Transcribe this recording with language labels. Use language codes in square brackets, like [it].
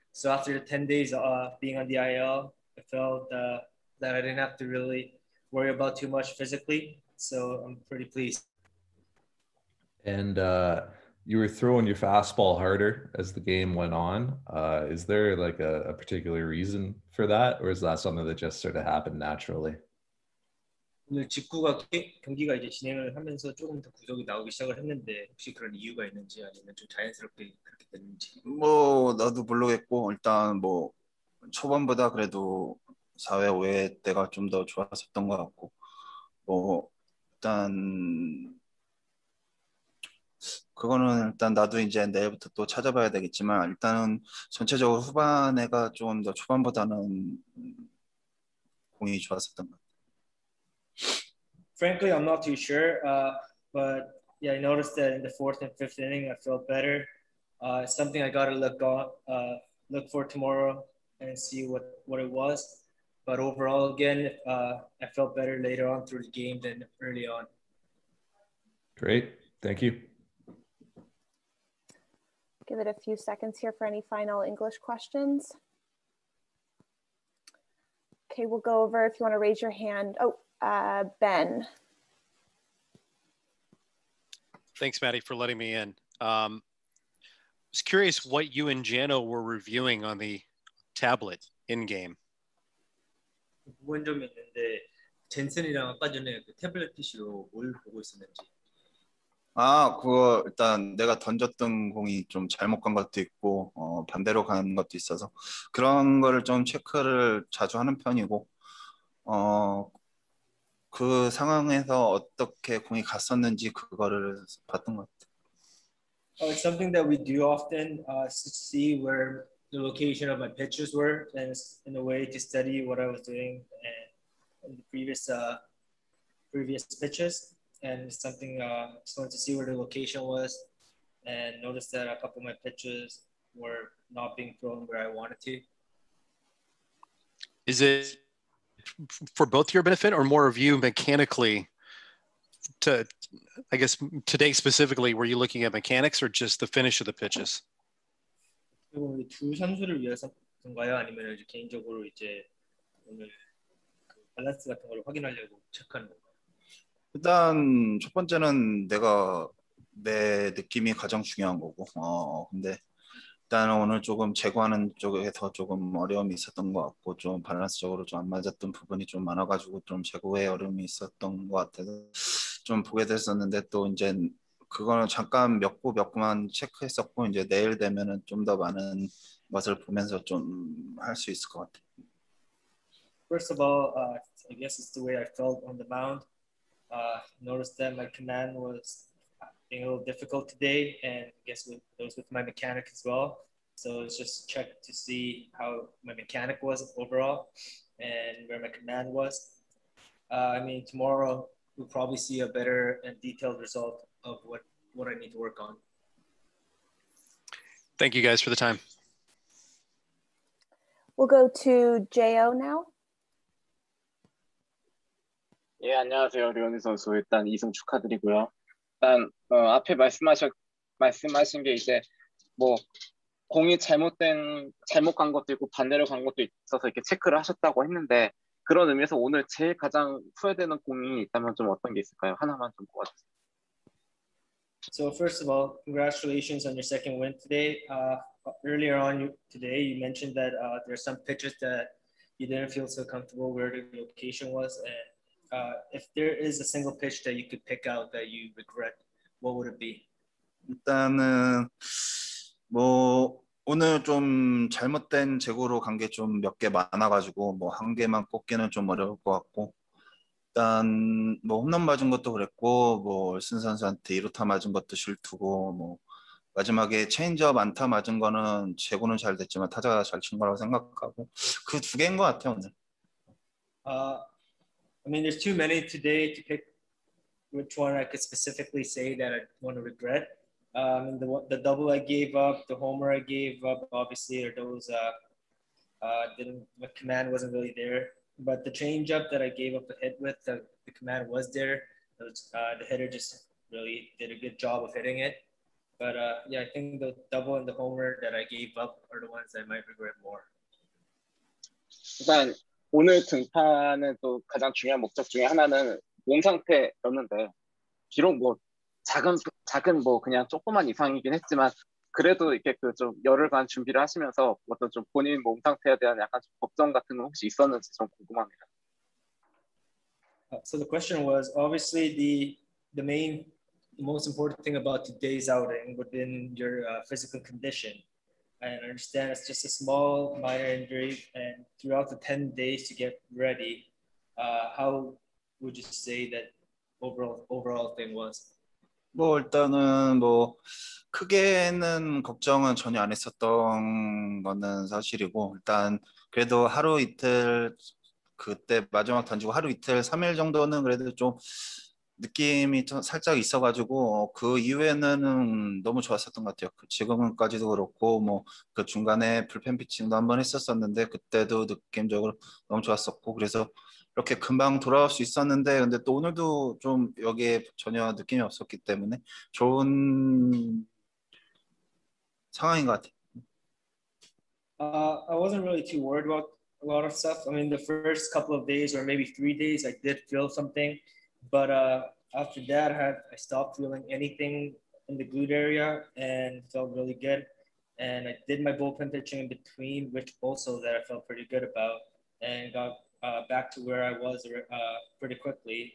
[en] So after 10 days being on the IL, I felt that I didn't have to really worry about too much physically. So I'm pretty pleased. And you were throwing your fastball harder as the game went on. Is there like a particular reason for that, or is that something that just sort of happened naturally? [ko] 오늘 직구가 경기가 이제 진행을 하면서 조금 더 구속이 나오기 시작을 했는데 혹시 그런 이유가 있는지 아니면 좀 자연스럽게 그렇게 됐는지. 뭐 나도 모르겠고 일단 뭐 초반보다 그래도 4회, 5회 때가 좀더 좋았었던 것 같고 뭐 일단 그거는 일단 나도 이제 내일부터 또 찾아봐야 되겠지만 일단은 전체적으로 후반에가 좀더 초반보다는 공이 좋았었던 것 같아요. [en] Frankly, I'm not too sure, but yeah, I noticed that in the fourth and fifth inning, I felt better. It's something I gotta look for tomorrow and see what it was. But overall, again, I felt better later on through the game than early on. Great, thank you. Give it a few seconds here for any final English questions. Okay, we'll go over if you want to raise your hand. Ben. Thanks, Maddie, for letting me in. I was curious what you and Jano were reviewing on the tablet in game. [ko] 보는 점이 있는데 젠슨이랑 아까 전에 그 태블릿 PC로 뭘 보고 있었는지. 아, 그거 일단 내가 던졌던 공이 좀 잘못 간 것도 있고 반대로 간 것도 있어서 그런 거를 좀 체크를 자주 하는 편이고 그 상황에서 어떻게 공이 갔었는지 그거를 봤던 것 같아요. [en] Oh, it's something that we do often, to see where the location of my pitches were, and in a way to study what I was doing and the previous pitches. And it's something just wanted to see where the location was, and noticed that a couple of my pitches were not being thrown where I wanted to. Is it for both your benefit or more of you mechanically to, I guess today specifically, were you looking at mechanics or just the finish of the pitches? [ko] 그리고 두 선수를 위해서 그런가요? 아니면 이제 개인적으로 이제 오늘 그 밸런스 같은 걸 확인하려고 체크하는 건가요? 일단 첫 번째는 내가 내 느낌이 가장 중요한 거고, 근데 일단 오늘 조금 제구하는 쪽에서 조금 어려움이 있었던 것 같고 좀 밸런스적으로 좀안 맞았던 부분이 좀 많아가지고 좀 제구에 어려움이 있었던 것 같아서 좀 보게 됐었는데 또 이제 그거는 잠깐 몇구몇 구만 체크했었고 이제 내일 되면은 좀더 많은 것을 보면서 좀할수 있을 것 같아요. [en] First of all, I guess it's the way I felt on the mound. Noticed that my command was being a little difficult today, and I guess it was with my mechanic as well. So it's just check to see how my mechanic was overall and where my command was. I mean, tomorrow we'll probably see a better and detailed result of what I need to work on. Thank you guys for the time. We'll go to JO now. [ko] 예, 안녕하세요, 류현진 선수. 일단 2승 축하드리고요. 일단 앞에 말씀하신 게 이제 뭐 공이 잘못 간 것도 있고 반대로 간 것도 있어서 이렇게 체크를 하셨다고 했는데 그런 의미에서 오늘 제일 가장 후회되는 공이 있다면 좀 어떤 게 있을까요? 하나만 좀 꼽아주세요. [en] So first of all, congratulations on your second win today. Earlier on today, you mentioned that there are some pitches that you didn't feel so comfortable where the location was. And if there is a single pitch that you could pick out that you regret, what would it be? [ko] 일단은 뭐 오늘 좀 잘못된 제구로 간게좀몇개 많아가지고 뭐한 개만 꼽기는 좀 어려울 것 같고 일단 뭐 홈런 맞은 것도 그랬고 뭐 얼슨 선수한테 2루타 맞은 것도 실투고 뭐 마지막에 체인지업 안타 맞은 거는 제구는 잘 됐지만 타자가 잘 친 거라고 생각하고 그 두 개인 것 같아요 오늘. [en] I mean, there's too many today to pick which one I could specifically say that I want to regret. The double I gave up, the homer I gave up, obviously are those the command wasn't really there. But the changeup that I gave up a hit with, the command was there. It was, the hitter just really did a good job of hitting it. But yeah, I think the double and the homer that I gave up are the ones I might regret more. [ko] 일단 오늘 등판의 또 가장 중요한 목적 중에 하나는 몸 상태였는데 비록 뭐 작은 뭐 그냥 조그만 이상이긴 했지만 그래도 이렇게 그 좀 열흘간 준비를 하시면서 어떤 좀 본인 몸 상태에 대한 약간 좀 걱정 같은 거 혹시 있었는지 좀 궁금합니다. [en] So the question was obviously the main most important thing about today's outing would be your physical condition. I understand it's just a small minor injury and throughout the 10 days to get ready, how would you say that overall thing was? [ko] 뭐 일단은 뭐 크게는 걱정은 전혀 안 했었던 거는 사실이고 일단 그래도 하루 이틀 그때 마지막 던지고 하루 이틀 3일 정도는 그래도 좀 느낌이 좀 살짝 있어가지고 그 이후에는 너무 좋았었던 것 같아요. 지금까지도 그렇고 뭐 그 중간에 불펜 피칭도 한번 했었었는데 그때도 느낌적으로 너무 좋았었고 그래서 이렇게 금방 돌아올 수 있었는데 근데 또 오늘도 좀 여기에 전혀 느낌이 없었기 때문에 좋은 상황인 것 같아요. [en] I wasn't really too worried about a lot of stuff. I mean, the first couple of days or maybe 3 days, I did feel something. But after that, I stopped feeling anything in the glute area and felt really good. And I did my bullpen pitching in between, which also that I felt pretty good about and got back to where I was pretty quickly.